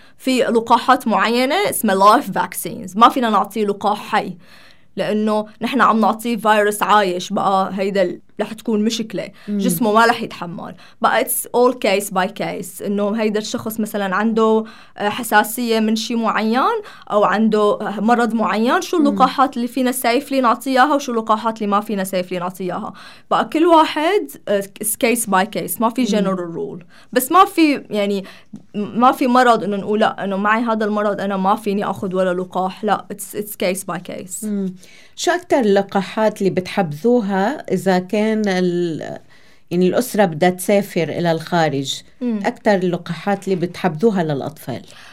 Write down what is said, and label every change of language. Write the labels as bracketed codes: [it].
[ar] في لقاحات معينة اسمها [en] life vaccines [ar] ما فينا نعطيه لقاح حي، لأنه نحن عم نعطيه فيروس عايش، بقى هيدا لح تكون مشكلة جسمه ما لح يتحمل. بقى [en] it's all case by case، [ar] إنه هيدا الشخص مثلا عنده حساسية من شيء معين أو عنده مرض معين، شو اللقاحات اللي فينا safely نعطيها وشو اللقاحات اللي ما فينا safely نعطيها. بقى كل واحد [en] it's case by case، [ar] ما في [en] general rule. [ar] بس ما في يعني ما في مرض إنه نقول لا إنه معي هذا المرض أنا ما فيني أخذ ولا لقاح، لا [en] it's case by case. [ar] شو أكتر اللقاحات اللي بتحبذوها إذا كان يعني الأسرة بدها تسافر إلى الخارج؟ أكتر اللقاحات اللي بتحبذوها للأطفال؟